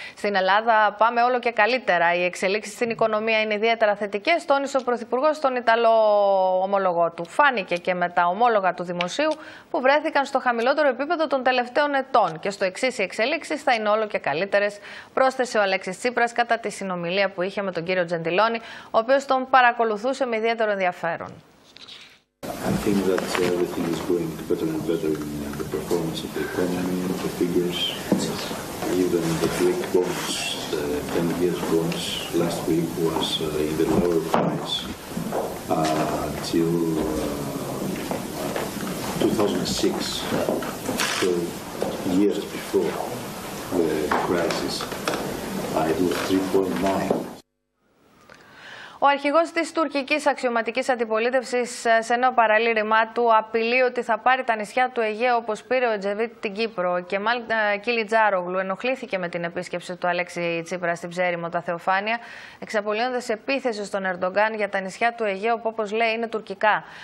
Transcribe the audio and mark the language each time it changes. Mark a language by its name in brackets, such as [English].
[Greek] στην Ελλάδα πάμε όλο και καλύτερα. Οι εξελίξεις στην οικονομία είναι ιδιαίτερα θετικές, τόνισε ο Πρωθυπουργός στον Ιταλό ομολογό του. Φάνηκε και με τα ομόλογα του δημοσίου που βρέθηκαν στο χαμηλότερο επίπεδο των τελευταίων ετών. Και στο εξής, οι εξελίξεις θα είναι όλο και καλύτερες, πρόσθεσε ο Αλέξης Τσίπρας κατά τη συνομιλία που είχε με τον κύριο Τζεντιλόνη, ο οποίος τον παρακολουθούσε με ιδιαίτερο ενδιαφέρον. [English] I think that everything is going better and better in the performance of the economy, the figures, even the Greek bonds, the 10-year bonds last week was in the lower price until 2006, so years before the crisis, it was 3.9. [Greek] Ο αρχηγός της τουρκικής αξιωματικής αντιπολίτευσης σε νέο παραλήρημά του απειλεί ότι θα πάρει τα νησιά του Αιγαίου όπως πήρε ο Τζεβίτ την Κύπρο. Και μάλιστα Κιλιτζάρογλου ενοχλήθηκε με την επίσκεψη του Αλέξη Τσίπρα στην Ψέριμο τα Θεοφάνεια, εξαπολύνοντας επίθεση στον Ερντογκάν για τα νησιά του Αιγαίου που όπως λέει είναι τουρκικά.